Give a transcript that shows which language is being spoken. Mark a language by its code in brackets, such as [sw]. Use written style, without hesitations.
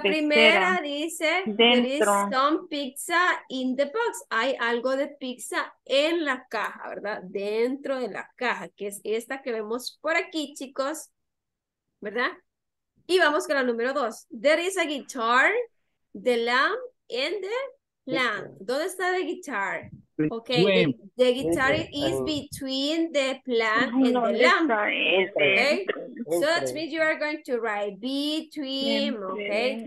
[es] primera dice, [en] there is some pizza in the box. [es] Hay algo de pizza en la caja, ¿verdad? Dentro de la caja, que es esta que vemos por aquí, chicos. ¿Verdad? Y vamos con la número 2. [en] There is a guitar, the lamb, and the plant. [es] ¿Dónde está [en] the guitar? Ok, the guitar is between the plant and the lamb. Okay? So that means you are going to write between, okay?